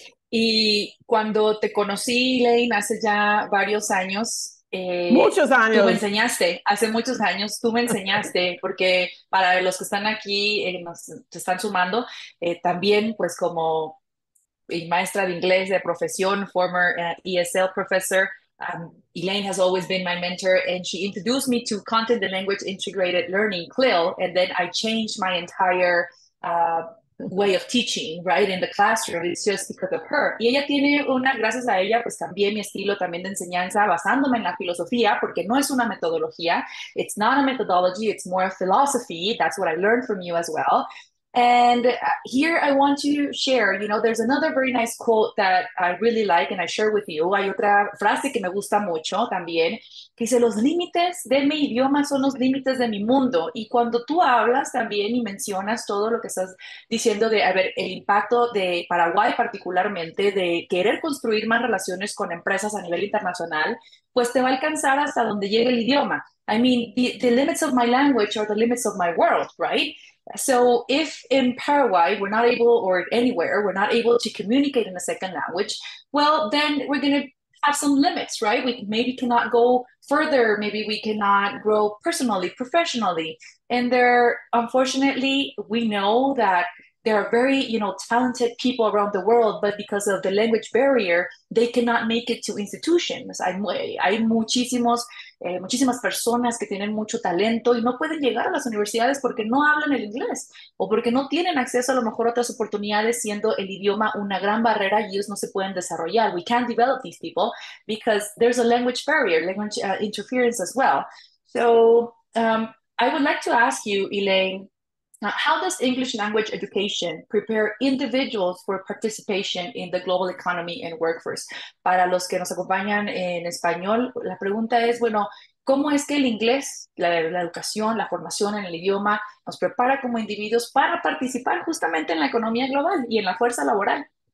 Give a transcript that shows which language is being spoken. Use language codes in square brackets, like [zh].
[es] Y cuando te conocí, Elaine, hace ya varios años. Muchos años. Tú me enseñaste. Hace muchos años tú me enseñaste. Porque para los que están aquí, nos te están sumando, también pues como... y maestra de inglés de profesión, [en] former ESL professor. Elaine has always been my mentor, and she introduced me to content and language integrated learning, CLIL, and then I changed my entire way of teaching, right, in the classroom. It's just because of her. [es] Y ella tiene una, gracias a ella, pues también mi estilo también de enseñanza, basándome en la filosofía, porque no es una metodología. [en] It's not a methodology, it's more a philosophy. That's what I learned from you as well. And here I want to share, you know, there's another very nice quote that I really like and I share with you. [es] Hay otra frase que me gusta mucho también, que dice, los límites de mi idioma son los límites de mi mundo. Y cuando tú hablas también y mencionas todo lo que estás diciendo de, a ver, el impacto de Paraguay particularmente, de querer construir más relaciones con empresas a nivel internacional, pues te va a alcanzar hasta donde llegue el idioma. [en] I mean, the limits of my language are the limits of my world, right? So if in Paraguay we're not able, or anywhere, we're not able to communicate in a second language, well, then we're going to have some limits, right? We maybe cannot go further. Maybe we cannot grow personally, professionally. And there, unfortunately, we know that there are very, you know, talented people around the world, but because of the language barrier, they cannot make it to institutions. [es] Hay muchísimas personas que tienen mucho talento y no pueden llegar a las universidades porque no hablan el inglés o porque no tienen acceso a lo mejor a otras oportunidades, siendo el idioma una gran barrera y ellos no se pueden desarrollar. [en] We can't develop these people because there's a language barrier, language interference as well. So I would like to ask you, Elaine, Now, how does English language education prepare individuals for participation in the global economy and workforce? [es] Para los que nos acompañan en español, la pregunta es, bueno, ¿cómo es que el inglés, la educación, la formación en el idioma, nos prepara como individuos para participar justamente en la economía global y en la fuerza laboral?